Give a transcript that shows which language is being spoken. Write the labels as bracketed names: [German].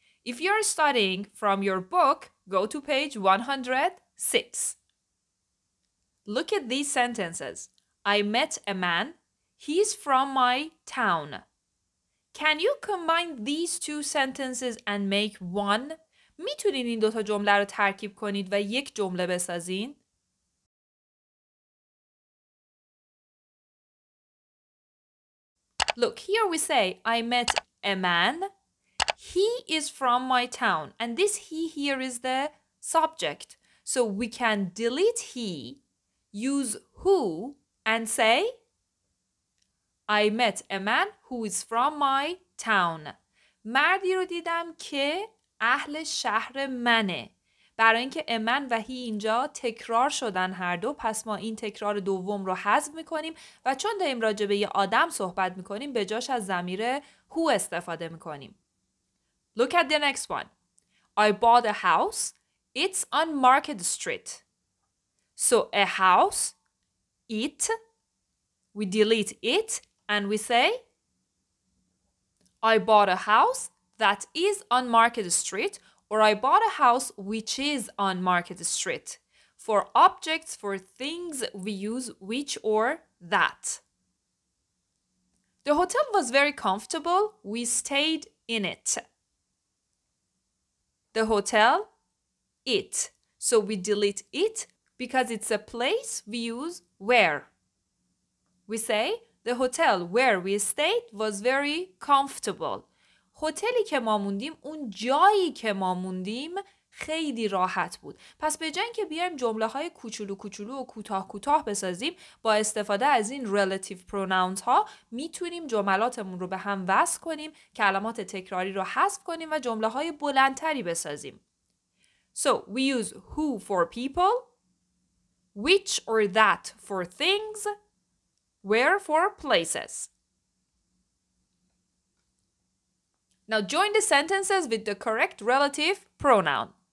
[English] If you're studying from your book, go to page 106. Look at these sentences. I met a man. He's from my town. Can you combine these two sentences and make one? [Persian] میتونین این دو تا جمله رو ترکیب کنید و یک جمله بسازین؟ [English] Look, here we say I met a man. He is from my town. And this he here is the subject. So we can delete he. Use who and say, I met a man who is from my town. [Persian] مردی رو دیدم که اهل شهر منه. برای اینکه a man و he اینجا تکرار شدن هر دو، پس ما این تکرار دوم رو حذف میکنیم و چون داریم راجع به یه آدم صحبت میکنیم، به جاش از ضمیر who استفاده میکنیم. [English] Look at the next one. I bought a house. It's on Market Street. So a house, it, we delete it and we say, I bought a house that is on Market Street, or I bought a house which is on Market Street. For objects, for things, we use which or that. The hotel was very comfortable. We stayed in it. The hotel, it. So we delete it. Because it's a place, we use where. We say, the hotel where we stayed was very comfortable. [Persian] هتلی که ما موندیم، اون جایی که ما موندیم خیلی راحت بود. پس به جای اینکه بیایم جمله های کوچولو کوچولو و کوتاه کوتاه بسازیم، با استفاده از این relative pronouns ها میتونیم جملاتمون رو به هم وصل کنیم، کلمات تکراری رو حذف کنیم و جمله های بلندتری بسازیم. [English] So, we use who for people. Which or that for things, where for places. Now join the sentences with the correct relative pronoun.